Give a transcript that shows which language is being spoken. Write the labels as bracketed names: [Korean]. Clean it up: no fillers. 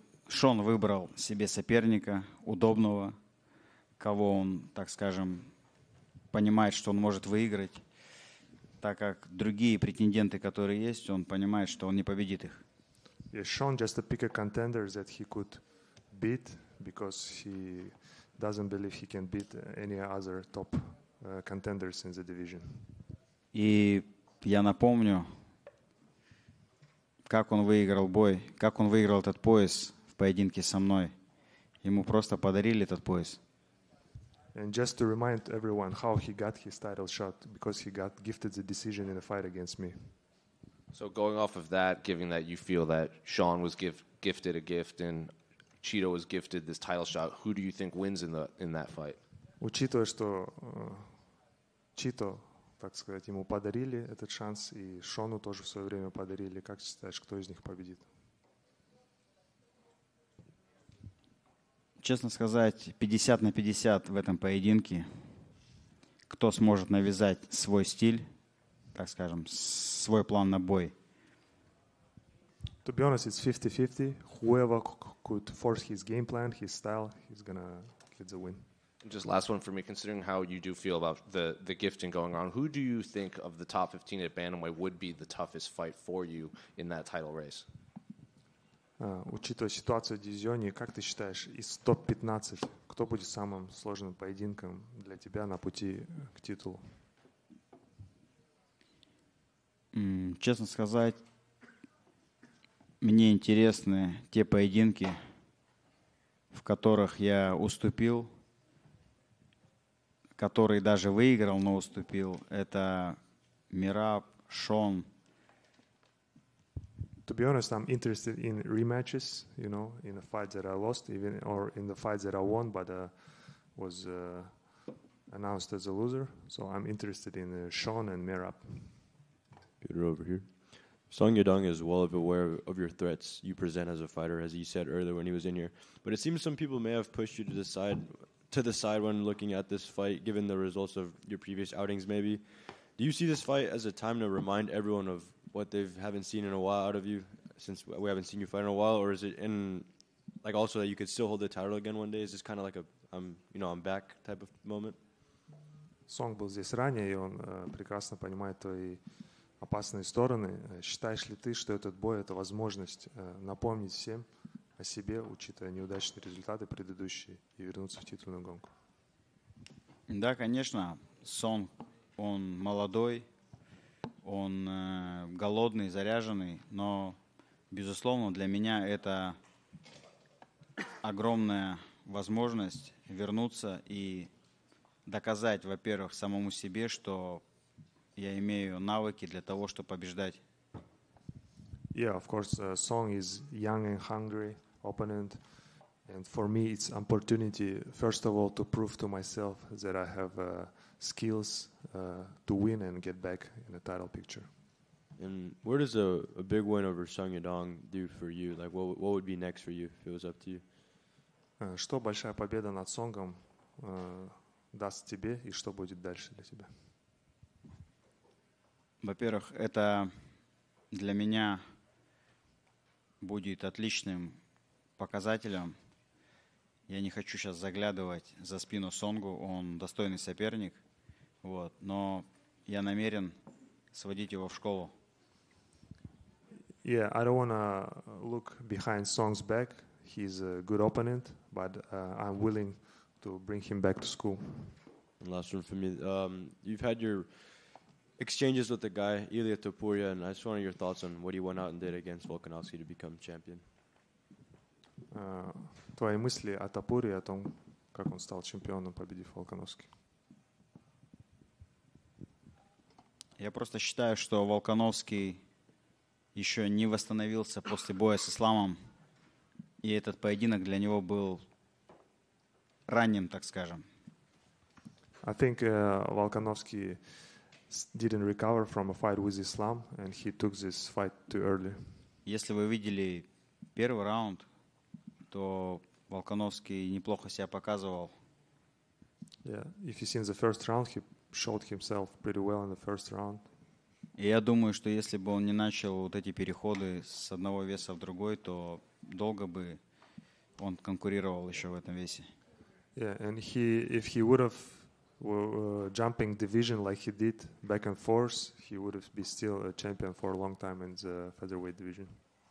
[Russian] Шон выбрал себе соперника удобного, кого он, так скажем, понимает, что он может выиграть, так как другие претенденты, которые есть, он понимает, что он не победит их. [English] Yeah, Sean just picked a contender that he could beat because he doesn't believe he can beat any other top contenders in the division. [Russian] И я напомню, как он выиграл этот пояс в поединке со мной. Ему просто подарили этот пояс. [English] And just to remind everyone how he got his title shot, because he got gifted the decision in a fight against me. So going off of that, given that you feel that Sean was gifted a gift and Cheeto was gifted this title shot, who do you think wins in that fight? [Russian] Учитывая, что Cheeto, так сказать, ему подарили этот шанс, и Шону тоже в свое время подарили, как считаешь, кто из них победит? Честно сказать, 50 на 50 в этом поединке. Кто сможет навязать свой стиль, так скажем, свой план на бой? [English] To be honest, it's 50-50. Whoever could force his game plan, his style, he's gonna get the win. Just last one for me. Considering how you do feel about the gifting going on, who do you think of the top 15 at Bantamweight would be the toughest fight for you in that title race? [Russian] Учитывая ситуацию в дивизионе, как ты считаешь, из топ-15, кто будет самым сложным поединком для тебя на пути к титулу? Честно сказать, мне интересны те поединки, в которых я уступил, который даже выиграл, но уступил. Это Мираб, Шон. [English] To be honest, I'm interested in rematches, you know, in the fight that I lost, even or in the fight that I won, but was announced as a loser. So I'm interested in Sean and Mirab. Peter over here. Song Yadong is well aware of your threats you present as a fighter, as he said earlier when he was in here. But it seems some people may have pushed you to the side when looking at this fight, given the results of your previous outings maybe. Do you see this fight as a time to remind everyone of what they haven't seen in a while out of you, since we haven't seen you fight in a while? Or is it in, like, also that you could still hold the title again one day? Is this kind of like I'm back type of moment? [Russian] Song был здесь ранее, и он прекрасно понимает твои опасные стороны. Считаешь ли ты, что этот бой — это возможность напомнить всем о себе, учитывая неудачные результаты предыдущие, и вернуться в титульную гонку? Да, конечно. Song, он молодой. Он голодный, заряженный, но, безусловно, для меня это огромная возможность вернуться и доказать, во-первых, самому себе, что я имею навыки для того, чтобы побеждать. [English] Yeah, of course, Song is young and hungry opponent, and for me it's opportunity, first of all, to prove to myself that I have skills to win and get back in the title picture. And where does a big win over Song Yadong do for you? Like, what would be next for you if it was up to you? [Russian] Что большая победа над Сонгом даст тебе, и что будет дальше для тебя? Во-первых, это для меня будет отличным показателем. Я не хочу сейчас заглядывать за спину Сонгу, он достойный соперник. Вот, но я намерен сводить его в школу. [English] Yeah, I don't want to look behind Song's back. He's a good opponent, but I'm willing to bring him back to school. And last one for me. You've had your exchanges with the guy, Ilya Topuria, and I just wanted your thoughts on what he went out and did against Volkanovski to become champion. [Russian] Твои мысли о Топуре, о том, как он стал чемпионом, победив Волконовски. Я просто считаю, что Волконовский еще не восстановился после боя с Исламом, и этот поединок для него был ранним, так скажем. [English] I think Volkanovski didn't recover from a fight with Islam, and he took this fight too early. [Russian] Если вы видели первый раунд, то Волконовский неплохо себя показывал. [English] Yeah, if you've seen the first round, he showed himself pretty well in the first round. [Russian] И я думаю, что если бы он не начал вот эти переходы с одного веса в другой, то долго бы он конкурировал еще в этом весе. [English] Yeah, and if he would have jumping division like he did back and forth, he would have been still a champion for a long time in the featherweight division.